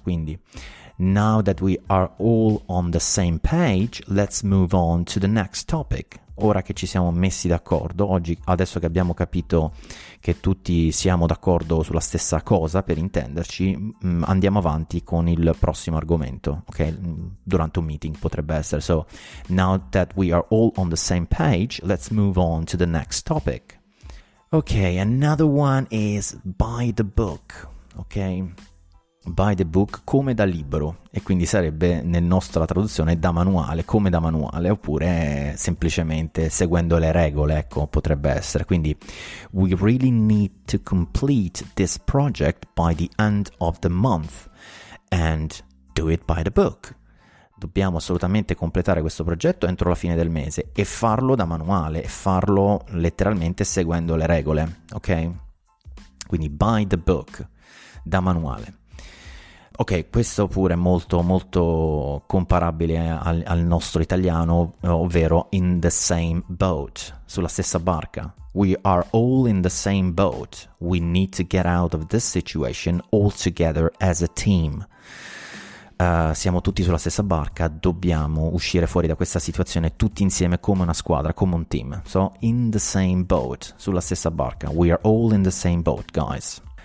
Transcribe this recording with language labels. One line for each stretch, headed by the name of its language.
English: Quindi now that we are all on the same page, let's move on to the next topic.
Italian: Ora che ci siamo messi d'accordo, oggi, adesso che abbiamo capito che tutti siamo d'accordo sulla stessa cosa, per intenderci, andiamo avanti con il prossimo argomento, ok? Durante un meeting potrebbe essere:
English: so now that we are all on the same page, let's move on to the next topic. Ok, another one is by the book, ok?
Italian: By the book, come da libro, e quindi sarebbe nella nostra traduzione da manuale, come da manuale, oppure semplicemente seguendo le regole, ecco, potrebbe essere.
English: Quindi, we really need to complete this project by the end of the month and do it by the book.
Italian: Dobbiamo assolutamente completare questo progetto entro la fine del mese e farlo da manuale, e farlo letteralmente seguendo le regole, ok? Quindi by the book, da manuale. Ok, questo pure è molto molto comparabile al nostro italiano, ovvero in the same boat, sulla stessa barca.
English: We are all in the same boat, we need to get out of this situation all together as a team.
Italian: Siamo tutti sulla stessa barca, dobbiamo uscire fuori da questa situazione tutti insieme come una squadra, come un team.
English: So, in the same boat,
Italian: sulla stessa barca.
English: We are all in the same boat, guys.